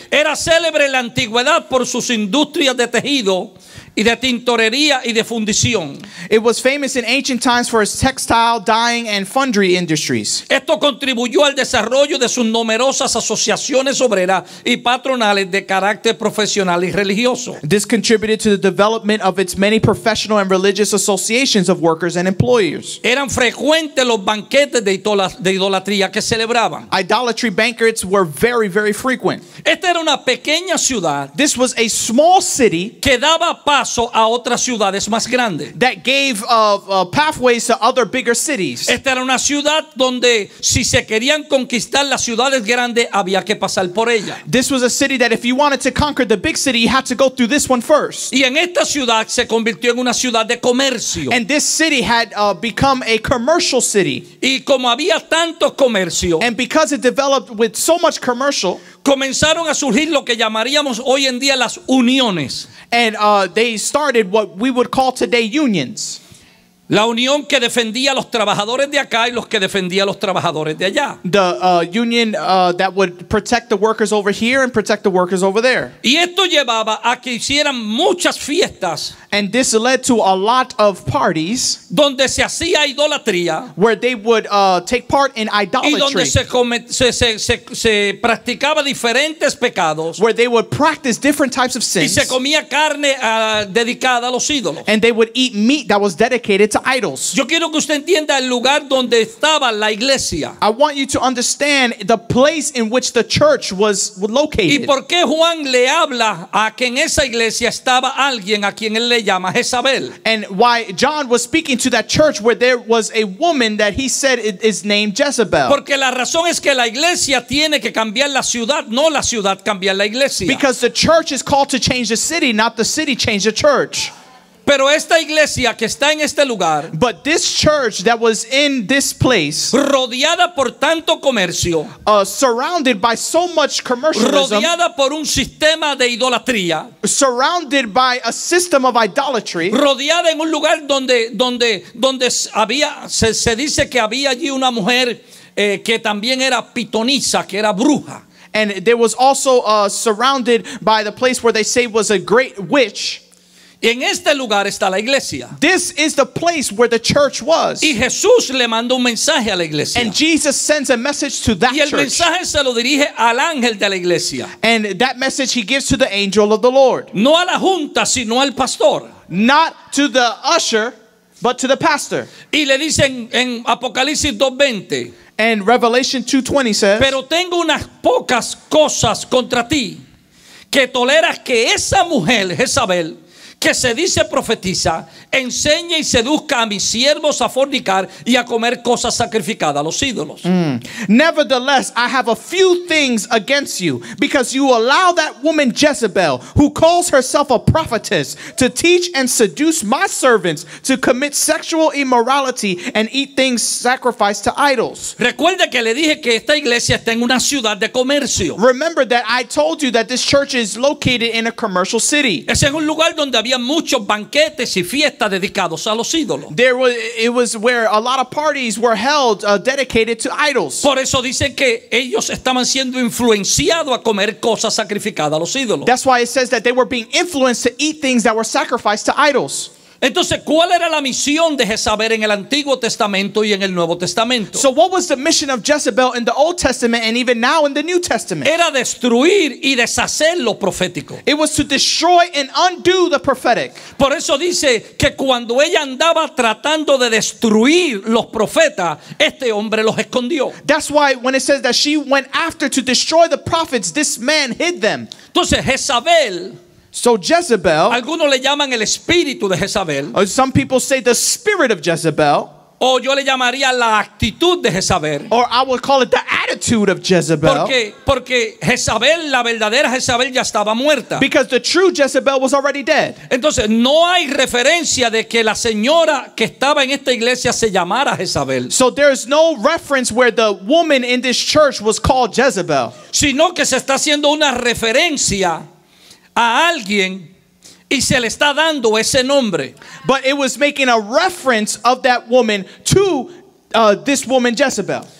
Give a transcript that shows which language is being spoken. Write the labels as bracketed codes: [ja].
[es] Era célebre en la antigüedad por sus industrias de tejido y de tintorería y de fundición. [en] It was famous in ancient times for its textile, dyeing, and foundry industries. [es] Esto contribuyó al desarrollo de sus numerosas asociaciones obreras y patronales de carácter profesional y religioso. [en] This contributed to the development of its many professional and religious associations of workers and employers. [es] Eran frecuentes los banquetes de idolatría que celebraban. [en] Idolatry banquets were very, very frequent. [es] Esta era una pequeña ciudad. [en] This was a small city [es] que daba paso a otras ciudades más grandes. [en] That gave pathways to other bigger cities. [es] Esta era una ciudad donde si se querían conquistar las ciudades grandes había que pasar por ella. [en] This was a city that if you wanted to conquer the big city you had to go through this one first. [es] Y en esta ciudad se convirtió en una ciudad de comercio. [en] And this city had become a commercial city. [es] Y como había tanto comercio, [en] and because it developed with so much commercial, [es] comenzaron a surgir lo que llamaríamos hoy en día las uniones. [en] And they started what we would call today unions. [es] La unión que defendía a los trabajadores de acá y los que defendía a los trabajadores de allá. [en] The union that would protect the workers over here and protect the workers over there. [es] Y esto llevaba a que hicieran muchas fiestas. [en] And this led to a lot of parties. [es] Donde se hacía idolatría. [en] Where they would take part in idolatry. [es] Y donde se practicaba diferentes pecados. [en] Where they would practice different types of sins. [es] Y se comía carne dedicada a los ídolos. [en] And they would eat meat that was dedicated to idols. [es] Yo quiero que usted entienda el lugar donde estaba la iglesia. [en] I want you to understand the place in which the church was located. [es] Y por qué Juan le habla a que en esa iglesia estaba alguien a quien él le llama Jezabel. [en] And why John was speaking to that church where there was a woman that he said is named Jezebel. [es] Porque la razón es que la iglesia tiene que cambiar la ciudad, no la ciudad cambiar la iglesia. [en] Because the church is called to change the city, not the city change the church. [es] Pero esta iglesia que está en este lugar, [en] but this church that was in this place, [es] rodeada por tanto comercio, [en] surrounded by so much commercialism, [es] rodeada por un sistema de idolatría, [en] surrounded by a system of idolatry, [es] rodeada en un lugar donde había, se dice que había allí una mujer que también era pitonisa, que era bruja. [en] And there was also surrounded by the place where they say was a great witch. [es] En este lugar está la iglesia. [en] This is the place where the church was. [es] Y Jesús le manda un mensaje a la iglesia. [en] And Jesus sends a message to that church. [es] Y el [en] church. [es] Mensaje se lo dirige al ángel de la iglesia. [en] And that message he gives to the angel of the Lord. [es] No a la junta, sino al pastor. [en] Not to the usher, but to the pastor. [es] Y le dicen en Apocalipsis 2:20. [en] And Revelation 2:20 says, [es] pero tengo unas pocas cosas contra ti, que toleras que esa mujer, Jezabel, que se dice profetiza, enseña y seduzca a mis siervos a fornicar y a comer cosas sacrificadas a los ídolos. [en] Nevertheless, I have a few things against you, because you allow that woman Jezebel, who calls herself a prophetess, to teach and seduce my servants to commit sexual immorality and eat things sacrificed to idols. [es] Recuerda que le dije que esta iglesia está en una ciudad de comercio. [en] Remember that I told you that this church is located in a commercial city. [es] Ese es un lugar donde había muchos banquetes y fiestas dedicados a los ídolos. [en] It was where a lot of parties were held dedicated to idols. [es] Por eso dicen que ellos estaban siendo influenciados a comer cosas sacrificadas a los ídolos. [en] That's why it says that they were being influenced to eat things that were sacrificed to idols. [es] Entonces, ¿cuál era la misión de Jezabel en el Antiguo Testamento y en el Nuevo Testamento? [en] So what was the mission of Jezebel in the Old Testament and even now in the New Testament? [es] Era destruir y deshacer lo profético. [en] It was to destroy and undo the prophetic. [es] Por eso dice que cuando ella andaba tratando de destruir los profetas, este hombre los escondió. [en] That's why when it says that she went after to destroy the prophets, this man hid them. [es] Entonces, Jezabel... [en] So Jezebel, [es] algunos le llaman el espíritu de Jezabel, [en] or some people say the spirit of Jezebel, [es] o yo le llamaría la actitud de Jezabel, [en] or I would call it the attitude of Jezebel, [es] porque Jezabel, la verdadera Jezabel, ya estaba muerta, [en] because the true Jezebel was already dead. [es] Entonces no hay referencia de que la señora que estaba en esta iglesia se llamara Jezabel. [en] So there is no reference where the woman in this church was called Jezebel, [es] sino que se está haciendo una referencia a alguien y se le está dando ese nombre. [en] But it was making a reference of that woman to this woman Jezebel.